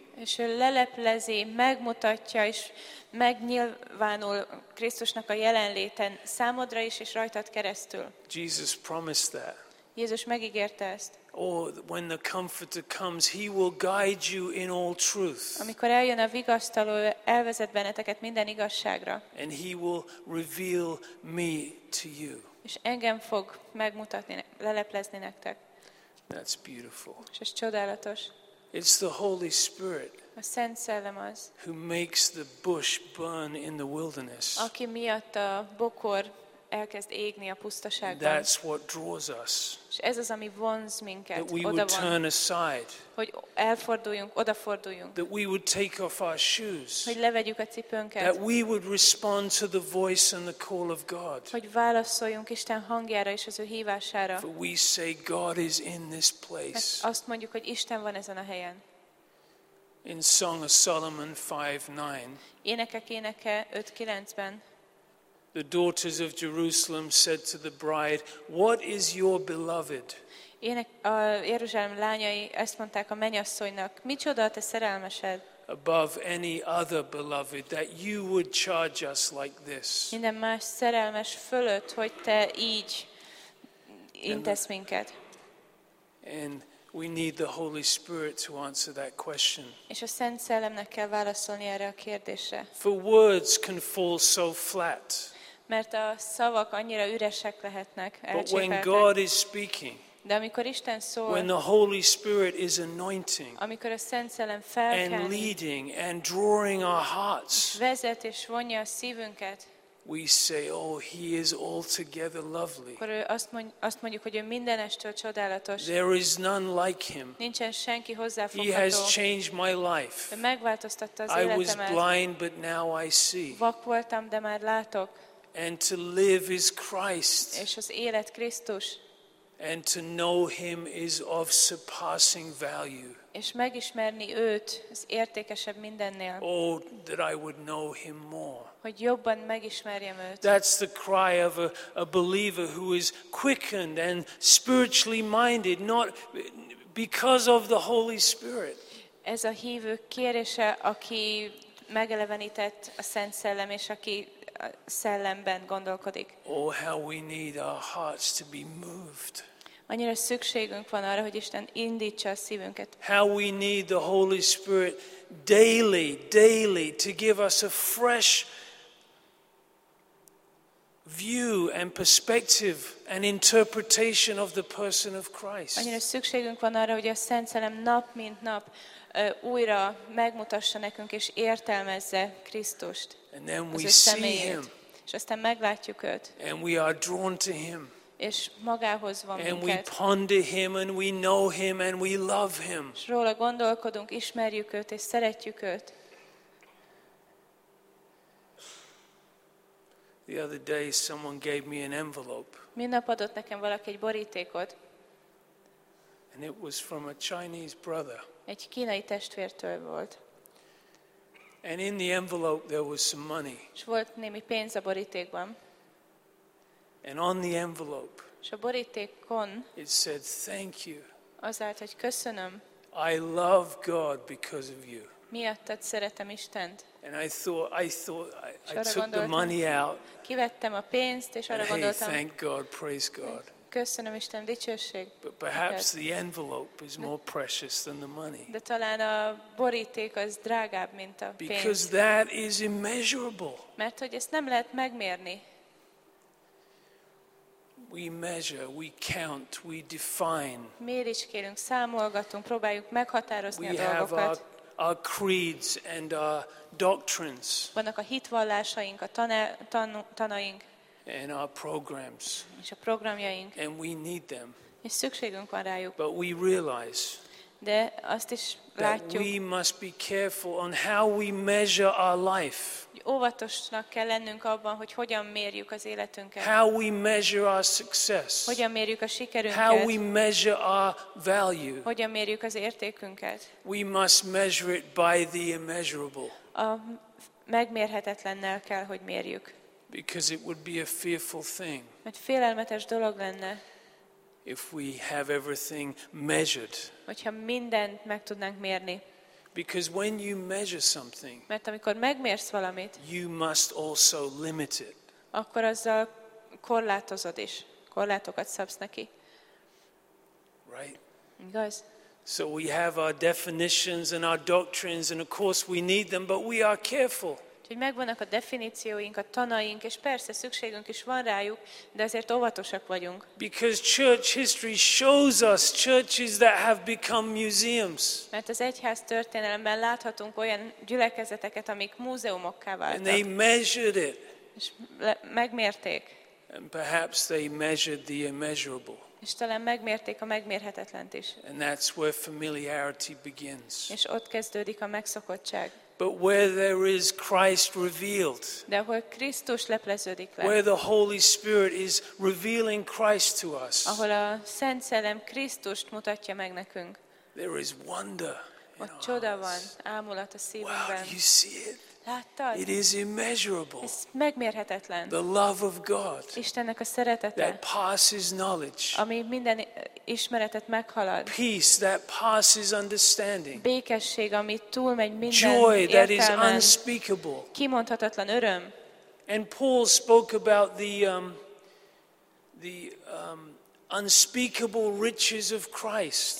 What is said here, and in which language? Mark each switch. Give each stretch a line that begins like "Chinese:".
Hungarian: És ő leleplezi, megmutatja és megnyilvánul Krisztusnak a jelenléten számodra is és rajtad keresztül.
English: Jesus promised that.
Hungarian: Jézus megígérte ezt.
English: Oh, when the comforter comes, he will guide you in all truth.
Hungarian: Amikor eljön a vigasztaló, elvezet benneteket minden igazságra.
English: And he will reveal me to you.
Hungarian: És engem fog megmutatni, leleplezni nektek.
English: That's beautiful.
Hungarian: És ez csodálatos.
English: It's the Holy Spirit.
Hungarian: A Szent Szellem az.
English: Who makes the bush burn in the wilderness.
Hungarian: Aki miatt a bokor elkezd égni a pusztaságban.
English: That's what draws us.
Hungarian: És ez az, ami vonz minket.
English: That we would turn aside.
Hungarian: Hogy elforduljunk, odaforduljunk.
English: That we would take off our shoes.
Hungarian: Hogy levegyük a cipőnket.
English: That we would respond to the voice and the call of God.
Hungarian: Hogy válaszoljunk Isten hangjára és az ő hívására.
English: For we say God is in this place.
Hungarian: Hát azt mondjuk, hogy Isten van ezen a helyen.
English: In Song of Solomon 5:9.
Hungarian: Énekek éneke 5:9-ben.
English: The daughters of Jerusalem said to the bride, "What is your beloved?"
Hungarian: A Jeruzsálem lányai ezt mondták a mennyasszonynak, micsoda a te szerelmesed?
English: Above any other beloved, that you would charge us like this.
Hungarian: Minden más szerelmes fölött, hogy te így intesz minket.
English: And we need the Holy Spirit to answer that question.
Hungarian: És a Szent Szellemnek kell válaszolni erre a kérdésre.
English: For words can fall so flat.
Hungarian: Mert a szavak annyira üresek lehetnek, elcsépeltek.
English: But when God is speaking,
Hungarian: de amikor Isten szól,
English: when the Holy Spirit is anointing,
Hungarian: amikor a Szent Szellem felkel,
English: and leading and drawing our hearts,
Hungarian: vezet és vonja a szívünket,
English: we say, oh, he is altogether lovely.
Hungarian: Akkor azt mondjuk, hogy ő mindenestől csodálatos.
English: There is none like him.
Hungarian: Nincsen senki hozzáfogható.
English: He has changed my life.
Hungarian: Ő megváltoztatta az életemet.
English: I was blind, but now I see.
Hungarian: Vak voltam, de már látok.
English: And to live is Christ.
Hungarian: És az élet Krisztus.
English: And to know him is of surpassing value.
Hungarian: És megismerni őt az értékesebb mindennél.
English: Oh, that I would know him more.
Hungarian: Hogy jobban megismerjem őt.
English: That's the cry of a believer who is quickened and spiritually minded, not because of the Holy Spirit.
Hungarian: Ez a hívő kérése, aki megelevenített a Szent Szellem, és aki szellemben gondolkodik.
English: Oh, how we need our hearts to be moved.
Hungarian: Annyira szükségünk van arra, hogy Isten indítsa a szívünket.
English: How we need the Holy Spirit daily to give us a fresh view and perspective and interpretation of the person of Christ.
Hungarian: Annyira szükségünk van arra, hogy a Szent Szellem nap mint nap újra megmutassa nekünk és értelmezze Krisztust.
English: And then we see him.
Hungarian: És aztán meglátjuk őt.
English: And we are drawn to him.
Hungarian: És magához van minket.
English: And we ponder him and we know him and we love him.
Hungarian: És róla gondolkodunk, ismerjük őt és szeretjük őt.
English: The other day someone gave me an envelope.
Hungarian: Minap adott nekem valaki egy borítékot.
English: And it was from a Chinese brother.
Hungarian: Egy kínai testvértől volt.
English: And in the envelope there was some money.
Hungarian: És volt némi pénz a borítékban.
English: And on the envelope.
Hungarian: És a borítékon.
English: It said thank you.
Hungarian: Azért, hogy köszönöm.
English: I love God because of you.
Hungarian: Miattad szeretem Istent.
English: And I took the money out.
Hungarian: Kivettem a pénzt és arra gondoltam.
English: Hey, thank God, praise God.
Hungarian: Köszönöm Isten, dicsőség.
English: But perhaps the envelope is more precious than the money.
Hungarian: De talán a boríték az drágább mint a pénz.
English: Because that is immeasurable.
Hungarian: Mert hogy ezt nem lehet megmérni.
English: We measure, we count, we define.
Hungarian: Méricskélünk, számolgatunk, próbáljuk meghatározni a dolgokat.
English: Our creeds and our doctrines.
Hungarian: Vannak a hitvallásaink, a tanaink.
English: And our programs.
Hungarian: És a programjaink.
English: And we need them.
Hungarian: És szükségünk van rájuk.
English: But we realize.
Hungarian: De azt is látjuk.
English: We must be careful on how we measure our life.
Hungarian: Óvatosnak kell lennünk abban, hogy hogyan mérjük az életünket.
English: How we measure our success.
Hungarian: Hogyan mérjük a sikerünket.
English: How we measure our value.
Hungarian: Hogyan mérjük az értékünket.
English: We must measure it by the immeasurable.
Hungarian: A megmérhetetlennel kell, hogy mérjük.
English: Because it would be a fearful thing.
Hungarian: Mert félelmetes dolog lenne.
English: If we have everything measured.
Hungarian: Hogyha mindent meg tudnánk mérni.
English: Because when you measure something,
Hungarian: mert amikor megmérsz valamit,
English: you must also limit it.
Hungarian: Akkor azzal korlátozod is, korlátokat szabsz neki.
English: Right?
Hungarian: Igaz?
English: So we have our definitions and our doctrines, and of course we need them, but we are careful.
Hungarian: Úgyhogy megvannak a definícióink, a tanaink, és persze szükségünk is van rájuk, de azért óvatosak vagyunk.
English: Because church history shows us churches that have become museums.
Hungarian: Mert az egyház történelemben láthatunk olyan gyülekezeteket, amik múzeumokká váltak.
English: And they measured it.
Hungarian: És megmérték.
English: And perhaps they measured the immeasurable.
Hungarian: És talán megmérték a megmérhetetlent is.
English: And that's where familiarity begins.
Hungarian: És ott kezdődik a megszokottság.
English: But where there is Christ revealed.
Hungarian: De ahol Krisztus lepleződik le.
English: Where the Holy Spirit is revealing Christ to us.
Hungarian: Ahol a Szent Szellem Krisztust mutatja meg nekünk.
English: There is wonder.
Hungarian: Ott csoda van, ámulat a szívünkben.
English: Wow, you see it?
Hungarian: Láttad?
English: It is immeasurable.
Hungarian: Ez megmérhetetlen.
English: The love of God.
Hungarian: Istennek a szeretete.
English: That passes knowledge.
Hungarian: Ami minden ismeretet meghalad.
English: Peace that passes understanding.
Hungarian: Békesség, ami túlmegy minden
English: Joy
Hungarian: értelmen.
English: That is unspeakable.
Hungarian: Kimondhatatlan öröm.
English: And Paul spoke about the unspeakable riches of Christ.